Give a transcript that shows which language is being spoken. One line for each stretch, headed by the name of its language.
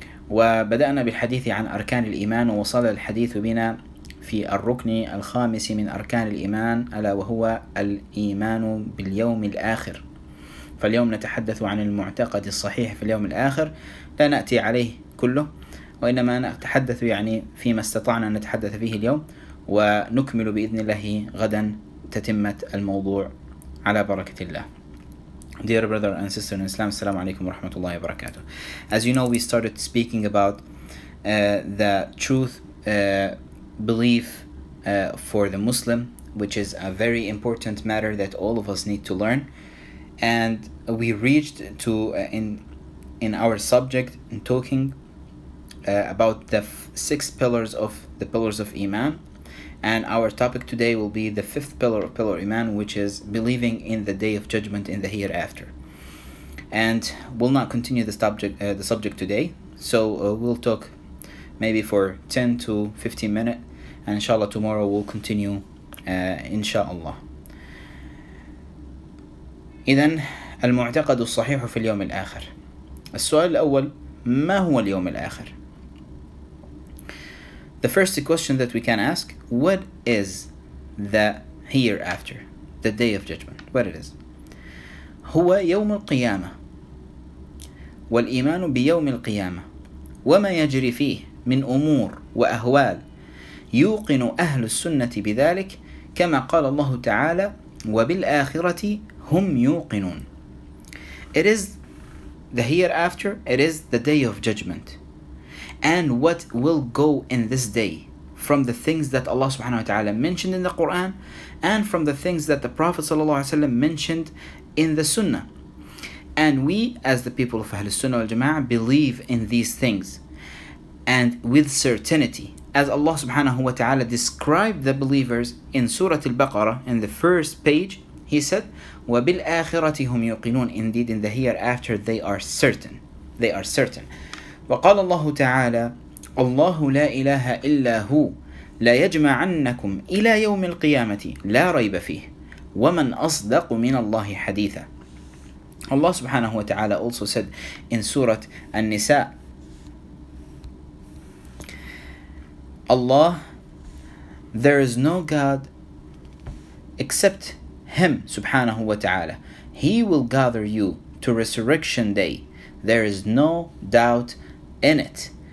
Arabic: وبدأنا بالحديث عن أركان الإيمان، ووصل الحديث بنا في الركن الخامس من أركان الإيمان، ألا وهو الإيمان باليوم الآخر. فاليوم نتحدث عن المعتقد الصحيح في اليوم الآخر، لا نأتي عليه كله، وإنما نتحدث يعني فيما استطعنا أن نتحدث فيه اليوم، ونكمل بإذن الله غدا تتمة الموضوع على بركة الله.
English: Dear brother and sister in Islam,
Arabic: السلام عليكم ورحمة الله وبركاته.
English: As you know, we started speaking about the truth belief for the Muslim, which is a very important matter that all of us need to learn. And we reached to in our subject in talking about the six pillars of Iman. And our topic today will be the fifth pillar of pillar Iman, which is believing in the day of judgment in the hereafter. And we'll not continue this subject today. So we'll talk maybe for 10 to 15 minutes. And inshallah, tomorrow we'll continue inshallah.
Arabic: إذن المعتقد الصحيح في اليوم الآخر. السؤال الأول، ما هو اليوم الآخر؟
English: The first question that we can ask, what is the hereafter, the day of judgment, what it is?
Arabic: هو يوم القيامة، والإيمان بيوم القيامة، وما يجري فيه من أمور وأهوال يوقن أهل السنة بذلك، كما قال الله تعالى وبالآخرة هم يوقنون.
English: It is the hereafter, it is the day of judgment. And what will go in this day from the things that Allah subhanahu wa ta'ala mentioned in the Quran and from the things that the Prophet sallallahu alayhi wa sallam mentioned in the Sunnah. And we as the people of Ahlul Sunnah wal Jama'ah believe in these things and with certainty, as Allah subhanahu wa ta'ala described the believers in Surah Al-Baqarah in the first page. He said,
Arabic: وَبِالْآخِرَةِ هُمْ يُقِنُونَ.
English: Indeed, in the hereafter, they are certain. They are certain.
Arabic: وقال الله تعالى الله لا إله إلا هو لا يجمع عنكم إلى يوم القيامة لا ريب فيه ومن أصدق من الله حديثا.
English: Allah subhanahu wa ta'ala also said in Surah An-Nisa, Allah, there is no God except Him subhanahu wa ta'ala. He will gather you to resurrection day. There is no doubt in it.